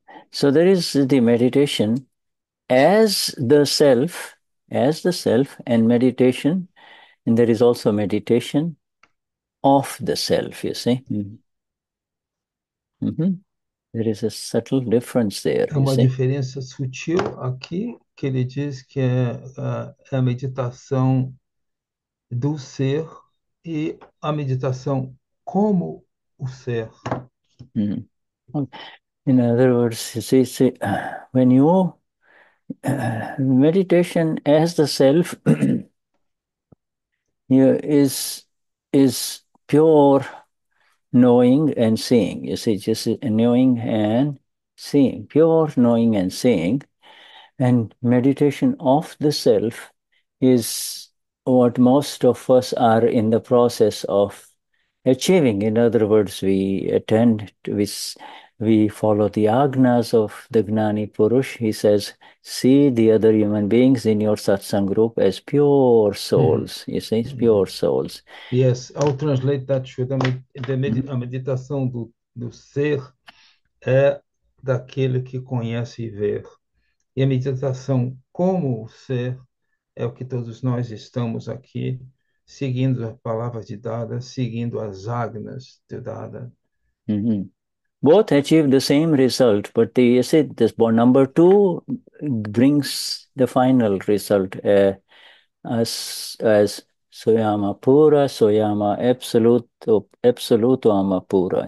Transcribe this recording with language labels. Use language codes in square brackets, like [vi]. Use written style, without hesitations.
[en] So there is the meditation as the self and meditation, and there is also meditation of the self, you see. There is a subtle difference there, [pt] É [en] you [pt] uma [en] see. [pt] diferença sutil aqui que ele diz que é a meditação do ser e a meditação como o ser. [en] In other words, you see, when you meditation as the self, is pure knowing and seeing. You see, just knowing and seeing, pure knowing and seeing, and meditation of the self is what most of us are in the process of achieving. In other words, we follow the agnas of the Gnani Purush. He says, see the other human beings in your satsang group as pure souls. You see, it's pure souls. Yes, I'll translate that to [pt] a meditação do ser é daquele que conhece e vê. E a meditação como o ser é o que todos nós estamos aqui seguindo as palavras de Dada, seguindo as agnas de Dada. [en] Both achieve the same result, but the, you said this number two brings the final result as Soyama Pura, Soyama Absoluto Amapura.